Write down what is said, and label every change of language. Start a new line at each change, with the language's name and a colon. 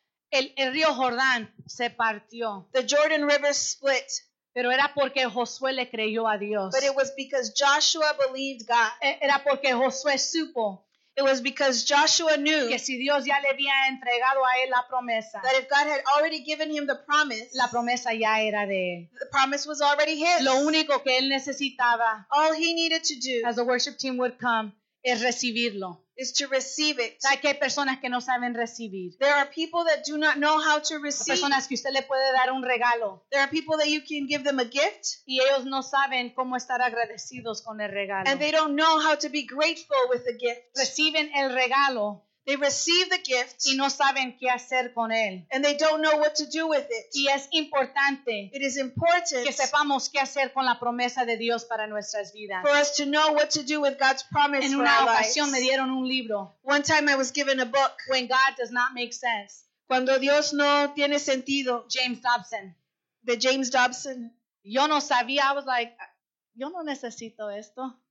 Spanish: El río Jordán se partió.
English: The Jordan River split.
Spanish: Pero era porque Josué le creyó a Dios.
English: But it was because Joshua believed God.
Spanish: Era porque Josué supo.
English: It was because Joshua knew
Spanish: que si Dios ya le había entregado a él la promesa,
English: that if God had already given him the promise,
Spanish: la promesa ya era de él.
English: The promise was already his.
Spanish: Lo único que él necesitaba,
English: all he needed to do, as the worship team would come,
Spanish: es recibirlo.
English: Is to receive it.
Spanish: Hay que personas que no saben recibir.
English: There are people that do not know how to receive.
Spanish: Personas que usted le puede dar un regalo.
English: There are people that you can give them a gift.
Spanish: Y ellos no saben cómo estar agradecidos con el regalo.
English: And they don't know how to be grateful with the gift.
Spanish: Reciben el regalo.
English: They receive the gift.
Spanish: Y no saben qué hacer con él.
English: And they don't know what to do with it.
Spanish: Y es importante.
English: It is important.
Spanish: Que sepamos qué hacer con la promesa de Dios para nuestras vidas.
English: For us to know what to do with God's promise
Spanish: en
English: for our lives.
Spanish: En una ocasión me dieron un libro.
English: One time I was given a book. When God does not make sense.
Spanish: Cuando Dios no tiene sentido.
English: James Dobson. The James Dobson.
Spanish: Yo no sabía.
English: I was like,
Spanish: yo no necesito esto.